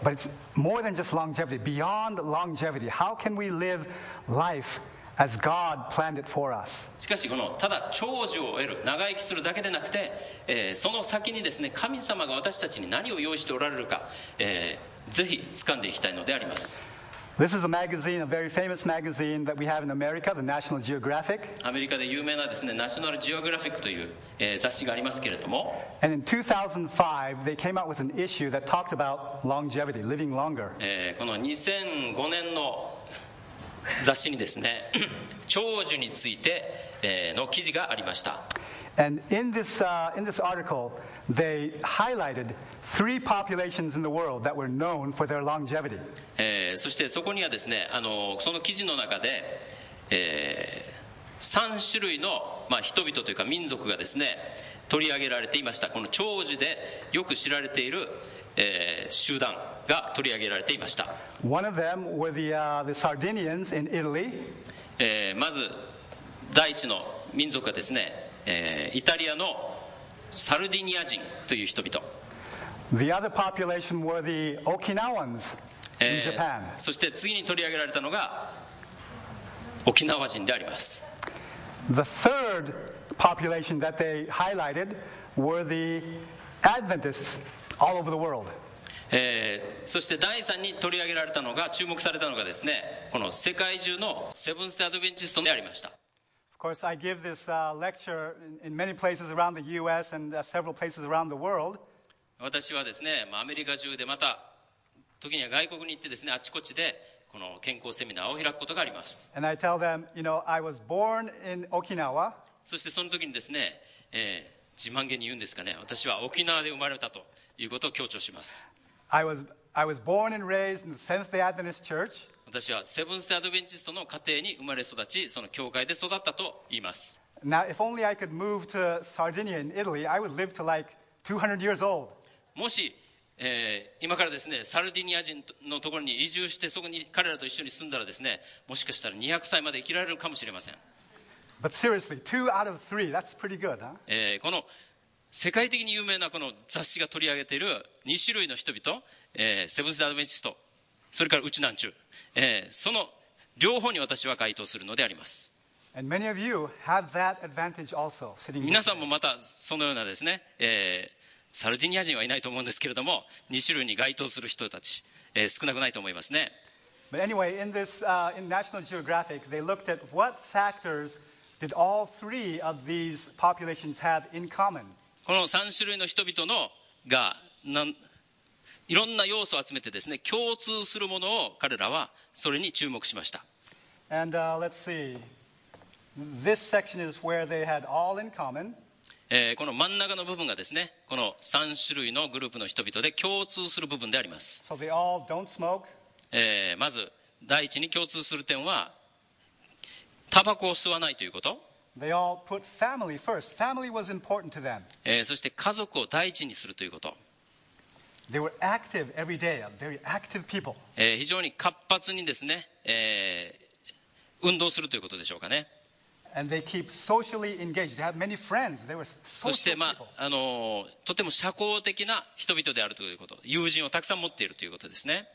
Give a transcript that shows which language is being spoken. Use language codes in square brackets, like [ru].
[en] But it's more than just longevity. Beyond longevity, how can we live life? As God planned it for us. [ja] しかしこのただ長寿を得る、長生きするだけでなくて、その先にですね、神様が私たちに何を用意しておられるか、ぜひ掴んでいきたいのであります。 [en] This is a magazine, a very famous magazine that we have in America, the National Geographic. [ja] アメリカで有名なですね、National Geographicという、雑誌がありますけれども、 [en] And in 2005, they came out with an issue that talked about longevity, living longer. [ja] この2005年の雑誌にですね、長寿についての記事がありました。 [en] And in this article, they highlighted three populations in the world that were known for their longevity. [ja] そしてそこにはですね、その記事の中で、3種類の、まあ、人々というか民族がですね、取り上げられていました。この長寿でよく知られている、集団が取り上げられていました。 [en] One of them were the Sardinians in Italy. [ja] まず第一の民族はですね、イタリアのサルディニア人という人々。 [en] The other population were the Okinawans in Japan. [ja] そして次に取り上げられたのが沖縄人であります。 [en] The third population that they highlighted were the Adventists all over the world. [ja] そして第3に取り上げられたのが、注目されたのがですね、この世界中のセブンス・デイ・アドベンチストでありました。 [en] Of course, I give this lecture in many places around the U.S. and several places around the world. [ja] 私はですね、アメリカ中で、また時には外国に行ってですね、あちこちでこの健康セミナーを開くことがあります。 [en] And I tell them, you know, I was born in Okinawa. [ja] そしてその時にですね、自慢げに言うんですかね、私は沖縄で生まれたということを強調します。 [en] I was born and raised in the Seventh-day Adventist Church. [ja] 私はセブンス・デイ・アドベンチストの家庭に生まれ育ち、その教会で育ったと言います。 [en] Now, if only I could move to Sardinia in Italy, I would live to like 200 years old. [ja] もし、今からですね、サルディニア人のところに移住して、そこに彼らと一緒に住んだらですね、もしかしたら200歳まで生きられるかもしれません。 [en] But seriously, two out of three, that's pretty good, huh? [ja] この世界的に有名なこの雑誌が取り上げている2種類の人々、セブンス・アドベンチスト、それからウチナンチュ、その両方に私は該当するのであります。 [en] And many of you have that advantage also, sitting [ja] 皆さんもまたそのようなですね、サルディニア人はいないと思うんですけれども、2種類に該当する人たち、少なくないと思いますね。 [en] But anyway, in this, in National Geographic, they looked at what factors did all three of these populations have in common. [ja] この3種類の人々のがいろんな要素を集めてですね、共通するものを彼らはそれに注目しました。 [en] And, let's see. This section is where they had all in common. [ja] この真ん中の部分がですね、この3種類のグループの人々で共通する部分であります。 [en] So they all don't smoke. [ja] まず第一に共通する点は、タバコを吸わないということ。 [en] They all put family first. Family was important to them. [ja] そして家族を第一にするということ。 [en] They were active every day, a very active people. [ja] 非常に活発にですね、運動するということでしょうかね。 [en] And they keep socially engaged. They had many friends. They were social people. [ja] そして、とても社交的な人々であるということ。友人をたくさん持っているということですね。